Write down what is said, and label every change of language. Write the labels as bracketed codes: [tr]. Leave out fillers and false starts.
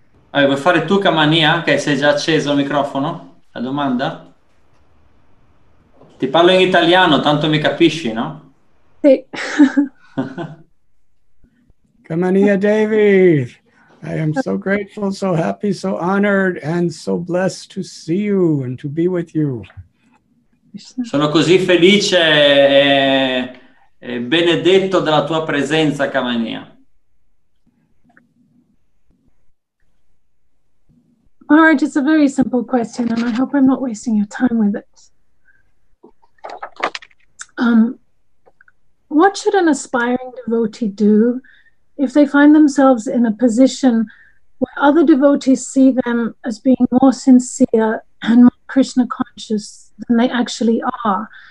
[it] Vuoi fare tu, Kamania, che sei già acceso il microfono? La domanda? Ti parlo in italiano, tanto mi capisci, no? Sì. [en] Kamania Devi, I am so grateful, so happy, so honored, and so blessed to see you and to be with you. [it] Sono così felice e benedetto della tua presenza, Kamania. [en] Maharaj, it's a very simple question, and I hope I'm not wasting your time with it. What should an aspiring devotee do if they find themselves in a position where other devotees see them as being more sincere and more Krishna conscious than they actually are?